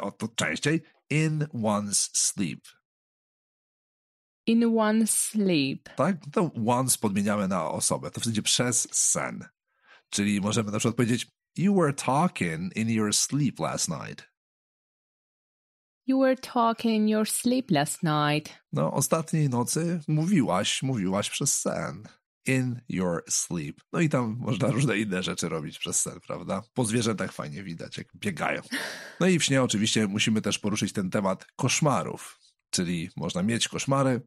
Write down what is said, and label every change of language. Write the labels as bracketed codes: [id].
[pl] o to częściej, [en] in one's sleep. In one's sleep. [pl] Tak, to once podmieniamy na osobę, to w sensie przez sen. Czyli możemy na przykład powiedzieć, [en] you were talking in your sleep last night. You were talking your sleep last night. [pl] No, ostatniej nocy mówiłaś przez sen. [en] In your sleep. [pl] No i tam można różne inne rzeczy robić przez sen, prawda? Po zwierzętach fajnie widać, jak biegają. No i w śnie oczywiście musimy też poruszyć ten temat koszmarów. Czyli można mieć koszmary.